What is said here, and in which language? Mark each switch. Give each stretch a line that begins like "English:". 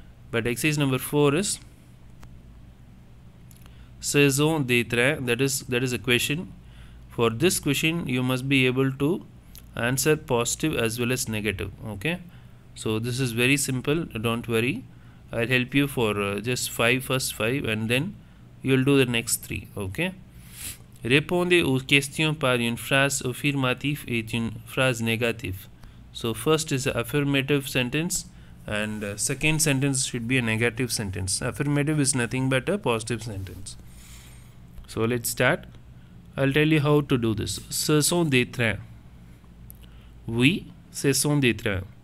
English: But exercise number 4 is saison des trains, that is a question. For this question, you must be able to answer positive as well as negative. Okay, so this is very simple, don't worry. I'll help you for just first five and then you'll do the next three. Okay.
French: Répondez aux questions par une phrase affirmative et une phrase négative.
English: So first is an affirmative sentence and second sentence should be a negative sentence. Affirmative is nothing but a positive sentence. So let's start. I'll tell you how to do this.
French: Ce sont des trains.
English: Oui, ce sont des trains.